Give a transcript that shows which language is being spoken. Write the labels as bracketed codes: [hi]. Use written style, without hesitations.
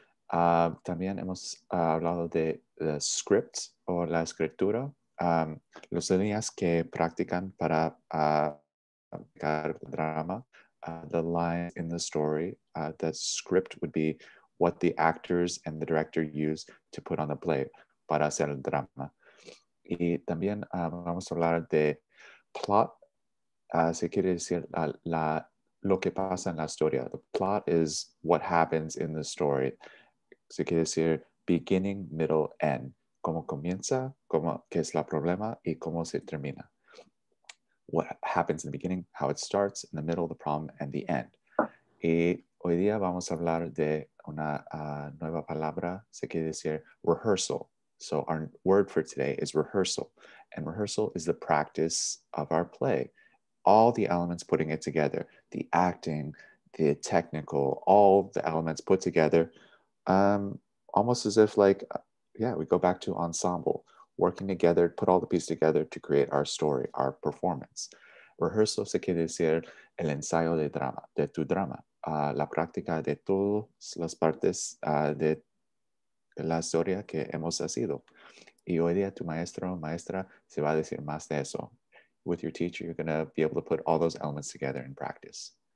[es] También hemos hablado de [en] the script [es] o la escritura, las líneas que practican para drama, [en] the lines in the story, the script would be what the actors and the director use to put on the play [es] para hacer el drama. Y también vamos a hablar de plot, se quiere decir lo que pasa en la historia. [en] The plot is what happens in the story. [es] Se quiere decir [en] beginning, middle, end. [es] Cómo comienza, cómo, qué es la problema y cómo se termina. [en] What happens in the beginning, how it starts, in the middle, the problem, and the end. [es] Y hoy día vamos a hablar de una nueva palabra, se quiere decir rehearsal. [en] So our word for today is rehearsal. And rehearsal is the practice of our play. All the elements putting it together, the acting, the technical, all the elements put together, almost as if like, yeah, we go back to ensemble. Working together, put all the pieces together to create our story, our performance. [es] Rehearsal se quiere decir el ensayo de drama, de tu drama. La práctica de todas las partes de la historia que hemos hecho. Y hoy día tu maestro o maestra se va a decir más de eso. [en] With your teacher, you're going to be able to put all those elements together in practice.